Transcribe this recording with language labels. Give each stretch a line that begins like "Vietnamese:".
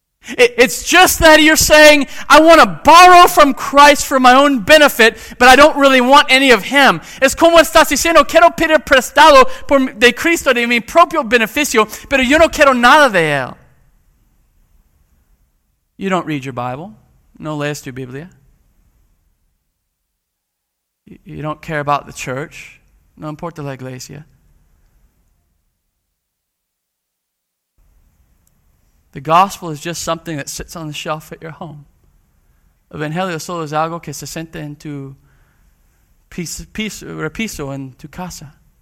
English: It's just that you're saying, I want to borrow from Christ for my own benefit, but I don't really want any of him.
Spanish: Es como estás diciendo, quiero pedir prestado por de Cristo de mi propio beneficio, pero yo no quiero nada de él.
English: You don't read your Bible.
Spanish: No lees tu Biblia.
English: You don't care about the church.
Spanish: No importa la iglesia.
English: The gospel is just something that sits on the shelf at your home.
Spanish: Evangelio solo es algo que se siente en tu repiso, en tu casa.